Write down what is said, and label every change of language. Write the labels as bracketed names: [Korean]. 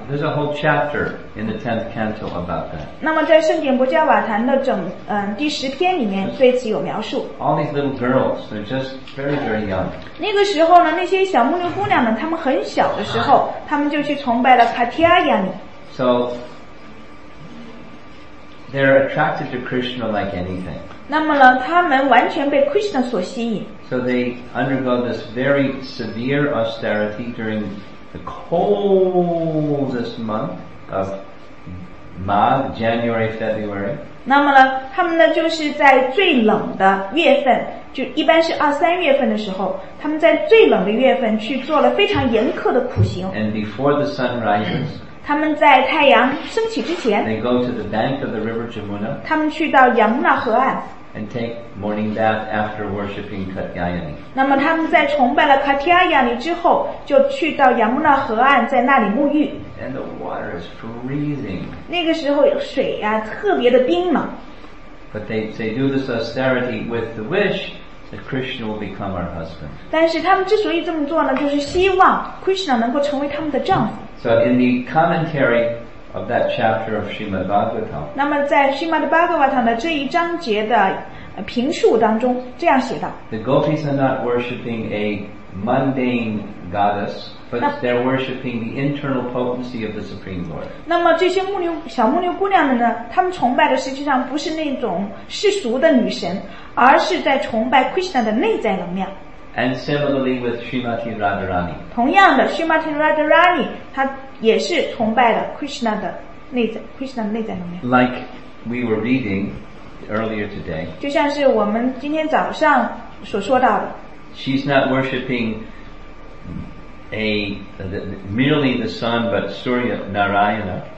[English] There's a whole chapter in the 10th canto about that. [Chinese] 那么在圣典博迦瓦坛的整第十篇里面对此有描述。 [English] All these little girls, they're just very, very young. [Chinese] 那个时候呢，那些小牧牛姑娘们，她们很小的时候，她们就去崇拜了 Katyayani. [English] So they're attracted to Krishna like anything. [Chinese] 那么呢，她们完全被 Krishna 所吸引。 [English] So they undergo this very severe austerity during the coldest month of Magh, January, February. [Chinese] 那么呢，他们呢就是在最冷的月份，就一般是二三月份的时候，他们在最冷的月份去做了非常严苛的苦行。 [English] And before the sun rises. [Chinese] 他们在太阳升起之前。 [English] They go to the bank of the river Jamuna. [Chinese] 他们去到杨那河岸。 [English] And take morning bath after worshipping Katyayani. [Chinese] 那么他们在崇拜了 Katyayani 之后，就去到杨木那河岸，在那里沐浴。 [English] And the water is freezing. [Chinese] 那个时候水呀、啊，特别的冰冷。 [English] But they do this austerity with the wish that Krishna will become our husband. [Chinese] 但是他们之所以这么做呢，就是希望 Krishna 能够成为他们的丈夫。 [English] So in the commentary of that chapter of Srimad Bhagavatam. [Chinese] 那么在 Srimad Bhagavatam 的这一章节的评述当中这样写道。 [English] The gopis are not worshipping a mundane goddess, but they're worshipping the internal potency of the Supreme Lord. [Chinese] 那么这些牧牛小牧牛姑娘们呢，她们崇拜的实际上不是那种世俗的女神，而是在崇拜 Krishna 的内在能量。 [English] And similarly with Srimati Radharani. [Chinese] 同样的 ,Srimati Radharani, 她也是崇拜了 Krishna 的内在 ,Krishna 的内在能量。 [English] Like we were reading earlier today. [Chinese] 就像是我们今天早上所说到的。 [English] She's not worshipping merely the sun, but Surya Narayana.